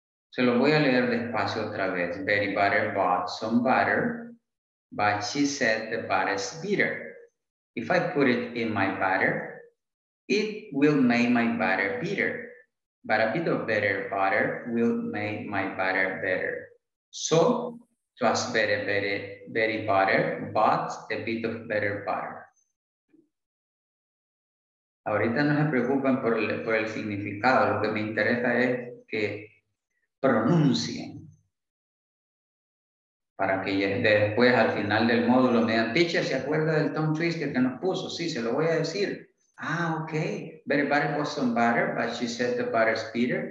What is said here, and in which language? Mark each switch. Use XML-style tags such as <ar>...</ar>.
<es>Se lo voy a leer despacio otra vez.</es> <en>Very butter bought some butter, but she said the butter's bitter. If I put it in my butter, it will make my butter bitter. But a bit of better butter will make my butter better. So, it was very, very, very butter, but a bit of better butter.</en> <es>Ahorita no se preocupen por el significado. Lo que me interesa es que pronuncien. Para que después, al final del módulo, me digan, teacher, ¿se acuerda del tongue twister que nos puso? Sí, se lo voy a decir. Ah, ok.</es> <en>Very butter was some butter, but she said the butter's bitter.</en>